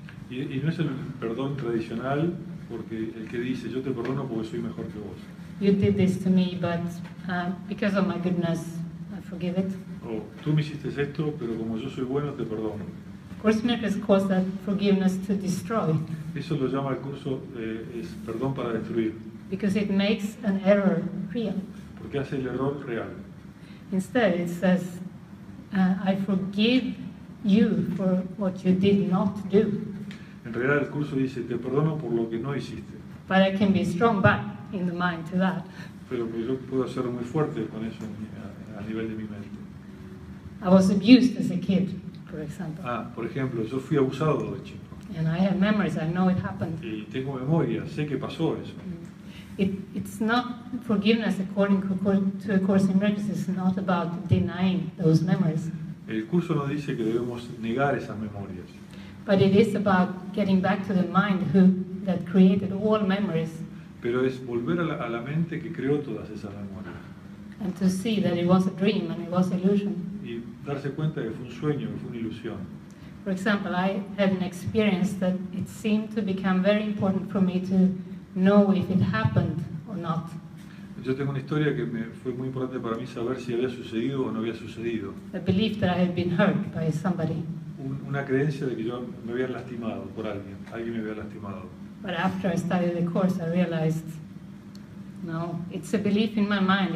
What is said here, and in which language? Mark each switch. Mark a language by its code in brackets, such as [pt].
[es] Y no es el perdón tradicional, porque el que dice yo te perdono porque soy mejor que vos. [en] You did this to me, but because of my goodness, I forgive it. [es] Oh, tú me hiciste esto, pero como yo soy bueno, te perdono. [en] Course makers cause that forgiveness to destroy. [es] Eso lo llama el curso es perdón para destruir. [en] Because it makes an error real. [es] Porque hace el error real. [en] Instead, it says, I forgive you for what you did not do. [es] En realidad el curso dice te perdono por lo que no hiciste. [en] But I can be strong back in the mind to that. [es] Pero yo puedo ser muy fuerte con eso a nivel de mi mente. [en] I was abused as a kid. For example. [es] Ah, por ejemplo, yo fui abusado de chico. [en] And I have memories, I know it happened. [es] Y tengo memoria, sé que pasó eso. [en] It's not forgiveness according to a Course in Miracles, it's not about denying those memories. [es] El curso nos dice que debemos negar esas memorias. [en] But it is about getting back to the mind that created all memories. [es] Pero es volver a la mente que creó todas esas memorias. [en] And to see that it was a dream and it was an illusion. [es] Darse cuenta que fue un sueño, que fue una ilusión. [en] For example, I had an experience that it seemed to become very important for me to know if it happened or not. [es] Yo tengo una historia que me fue muy importante para mí saber si había sucedido o no había sucedido. [en] A belief that I had been hurt by somebody. [es] Una creencia de que yo me había lastimado por alguien. Alguien me había lastimado. [en] But after I studied the course, I realized, no, it's a belief in my mind.